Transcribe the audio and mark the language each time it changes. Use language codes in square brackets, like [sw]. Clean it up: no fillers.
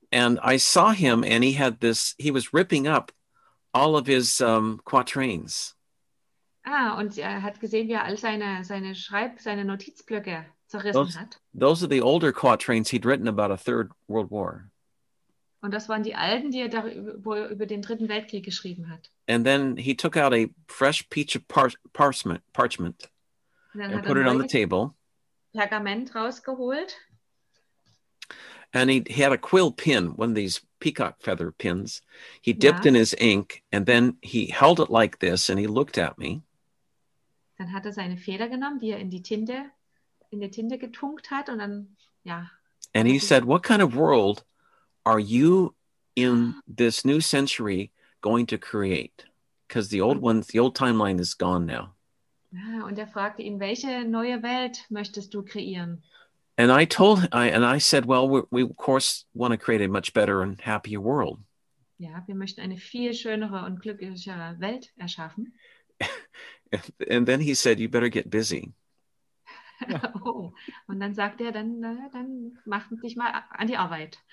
[en] And I saw him and he was ripping up all of his quatrains. [de] Ah, und er hat gesehen, wie er all seine Notizblöcke zerrissen hat. [en] Those are the older quatrains he'd written about a third world war. [de] Und das waren die alten, die er über den Dritten Weltkrieg geschrieben hat. [en] And then he took out a fresh piece of parchment and put it on the table. [de] Pergament rausgeholt. [en] And he had a quill pin, one of these peacock feather pins. He dipped in his ink and then he held it like this and he looked at me. [de] Dann hat er seine Feder genommen, die er in die Tinte getunkt hat und dann, ja. [en] And he said, what kind of world are you in this new century going to create? Because the old timeline is gone now. [de] Und er fragte ihn, welche neue Welt möchtest du kreieren? [en] And I told him, and I said, well, we of course want to create a much better and happier world. [de] Ja, wir möchten eine viel schönere und glücklichere Welt erschaffen. [en] And then he said, you better get busy. [de] Oh, und dann sagt er, dann mach dich mal an die Arbeit.